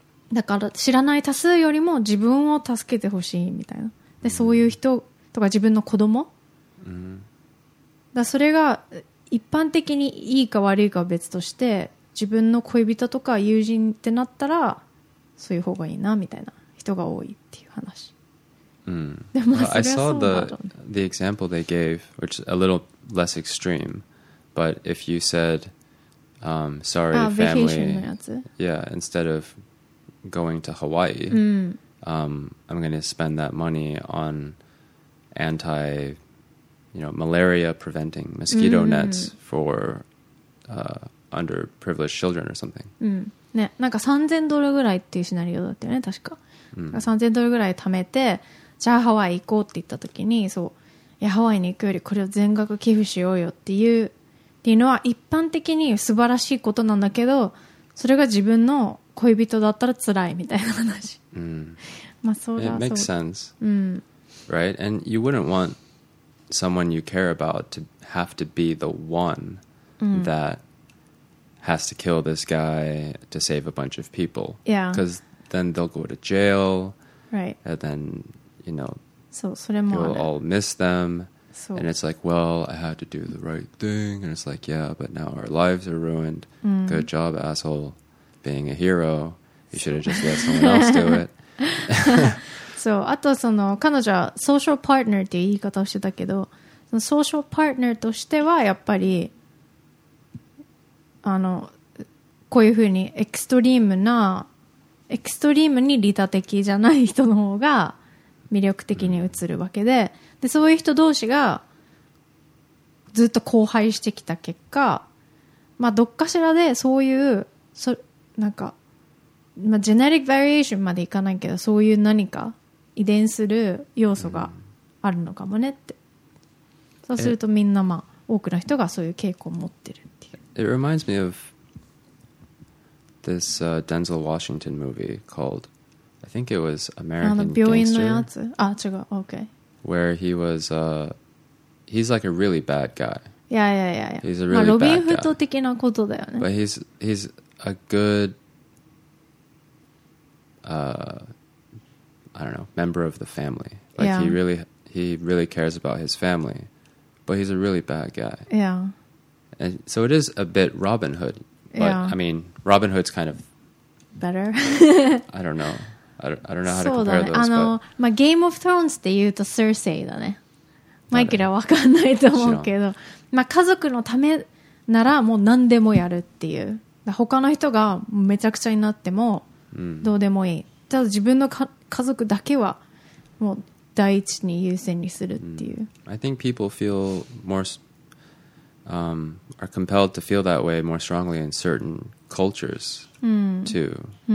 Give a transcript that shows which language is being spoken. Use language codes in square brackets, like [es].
[ja] だから知らない多数よりも自分を助けてほしいみたいなで、そういう人とか自分の子供、だそれが一般的にいいか悪いかは別として自分の恋人とか友人ってなったらそういう方がいいなみたいな人が多いっていう話。でも、 [en] I saw the example they gave, which is a little less extreme. But if you said, sorry, family, yeah, instead of going to Hawaii, I'm going to spend that money on anti, you know, malaria preventing mosquito nets for underprivileged children or something. [ja] ね、なんか3000ドルぐらいっていうシナリオだったよね確か、3000ドルぐらい貯めてじゃあハワイ行こうって言った時にそういやハワイに行くよりこれを全額寄付しようよっていうのは一般的に素晴らしいことなんだけどそれが自分の恋人だったら辛いみたいな話、まあそうだ [en] It makes sense、 right? And you wouldn't want someone you care about to have to be the one that has to kill this guy to save a bunch of people. Yeah. Because then they'll go to jail. Right. And then, you know, you'll all miss them. So. And it's like, well, I had to do the right thing. And it's like, yeah, but now our lives are ruined. Mm. Good job, asshole, being a hero. You should have just let someone else do it. [ja] そう、あとその彼女はソーシャルパートナーっていう言い方をしてたけど、そのソーシャルパートナーとしてはやっぱりあのこういうふうにエクストリームに利他的じゃない人の方が魅力的に映るわけで、でそういう人同士がずっと交配してきた結果、まあどっかしらでそういうそなんかまあジェネリックバリエーションまでいかないけど、そういう何か遺伝する要素があるのかもねって。そうするとみんなまあ多くの人がそういう傾向を持ってるっていう。 [en] It reminds me of this Denzel Washington movie called, I think it was American Gangster. [ja] 病院のやつ？あ、違う。Okay. [en] Where he was, he's like a really bad guy. Yeah, yeah, yeah, yeah. He's a really bad guy. [ja] ロビンフッド的なことだよね。 [en] But he's a good, I don't know, member of the family. Like, yeah. he really cares about his family, but he's a really bad guy. Yeah. And so it is a bit Robin Hood. But, yeah. I mean, Robin Hood's kind of... better? I don't know. I don't know how to compare those, [ja] あの、 [en] but... [ja] まあ、Game of Thrones って言うと Cersei だね。マイケルは分かんないと思うけど。まあ、家族のためならもう何でもやるっていう。他の人がめちゃくちゃになってもどうでもいい。ただ自分のか家族だけはもう第一に優先にするっていう。 [en] I think people feel more, are compelled to feel that way more strongly in certain cultures too.